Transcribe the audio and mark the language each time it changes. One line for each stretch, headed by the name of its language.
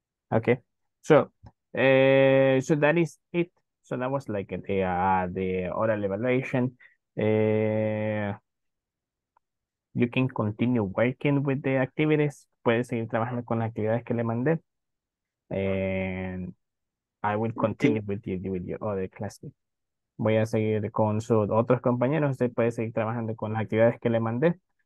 English: Okay, so that is it. So that was like the oral evaluation. You can continue working with the activities.
Spanish: Puedes seguir trabajando con las actividades que le mandé.
English: And I will continue with your other classes.
Spanish: Voy a seguir con sus otros compañeros. Usted puede seguir trabajando con las actividades que le mandé.